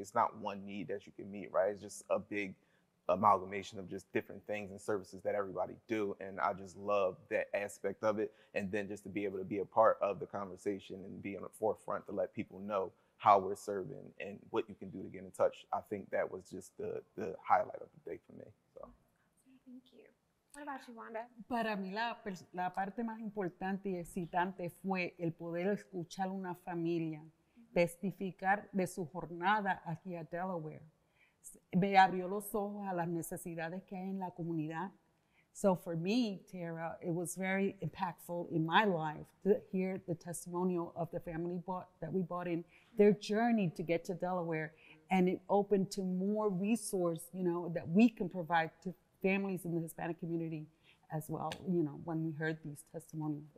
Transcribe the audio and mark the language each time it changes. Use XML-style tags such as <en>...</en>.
<en>It's not one need that you can meet, right? It's just a big amalgamation of just different things and services that everybody do, and I just love that aspect of it. And then just to be able to be a part of the conversation and be on the forefront to let people know how we're serving and what you can do to get in touch, I think that was just the highlight of the day for me. So thank you. What about you, Wanda?</en> <es>Para mí la parte más importante y excitante fue el poder escuchar una familia testificar de su jornada aquí a Delaware. Me abrió los ojos a las necesidades que hay en la comunidad.</es> <en>So for me, Tierra, it was very impactful in my life to hear the testimonial of the family that we brought in, their journey to get to Delaware, and it opened to more resource, you know, that we can provide to families in the Hispanic community as well, you know, when we heard these testimonials.</en>